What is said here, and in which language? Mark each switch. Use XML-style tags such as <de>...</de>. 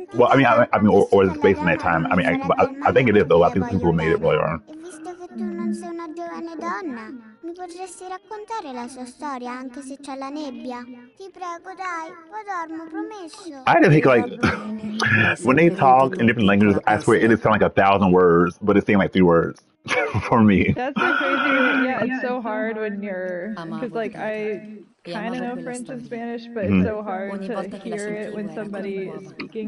<en>Well, I mean, or is it based on that time? I mean, I think it is though. I think people made it earlier.</en> <it>Visto che tu non sei una giovane donna, mi potresti raccontare la sua storia anche se c'è la nebbia? Ti prego, dai, poi dormo, promesso.</it> <en>I think like when they talk in different languages, I swear it is sound like 1,000 words, but it's saying like 3 words. For me, that's so crazy. Yeah, it's so hard when you're, because like I kind of know French and Spanish, but it's so hard to hear it when somebody is speaking.</en>